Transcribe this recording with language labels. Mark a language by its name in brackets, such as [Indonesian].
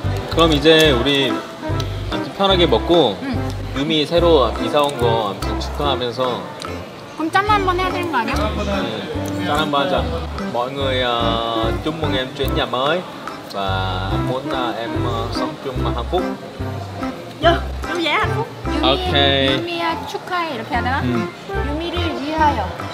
[Korean] 그럼 이제 우리 아무튼 편하게 먹고 유미 새로 이사 온 거 아무튼 축하하면서 그럼 짠 한번 해야 되는 거 아니야? 짠 한번 하자. [Vietnamese] Mọi người chúc mừng em chuyển nhà mới và muốn em sống chung mà hạnh phúc. [English] Yeah, [Korean] 유미, okay. 유미야 축하해 이렇게 하나? 유미를 위하여